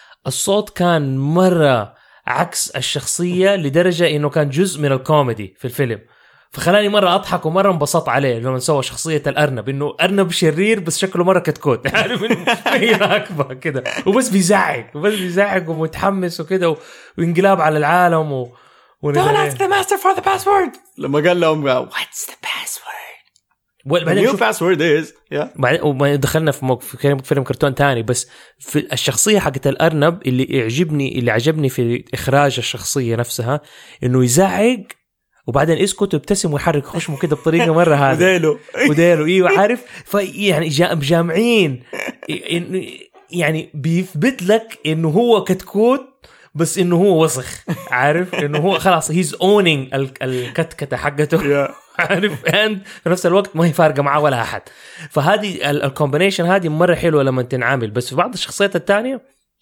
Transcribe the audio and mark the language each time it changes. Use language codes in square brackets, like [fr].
[ar] الصوت كان مره عكس الشخصيه لدرجه انه كان جزء من الكوميدي في الفيلم فخلاني مره اضحك ومره انبسط عليه لما سوى شخصيه الارنب انه ارنب شرير بس شكله مره كتكوت يعني راكبه كده وبس بيزعق ومتحمس وكده وانقلاب على العالم و [en] Don't ask the master for the password. [ar] لما قال لهم [en] What's the password? The new password is yeah. [ar] وبعدين دخلنا في فيلم كرتون تاني بس في الشخصية حقت الأرنب اللي عجبني في إخراج الشخصية نفسها إنه يزعق وبعدين اسكت وابتسم ويحرك خشمه كده بطريقة مرة هذا وديله وديله ايوه عارف يعني جامعين يعني بيثبت لك انه هو كتكوت بس انه هو وسخ عارف انه هو خلاص [en] he's owning [ar] الكتكتة حقته عارف and في نفس الوقت ما هي فارقة معه ولا احد فهذه الكومبينيشن هذه مرة حلوة لما تنعامل بس في بعض الشخصيات التانية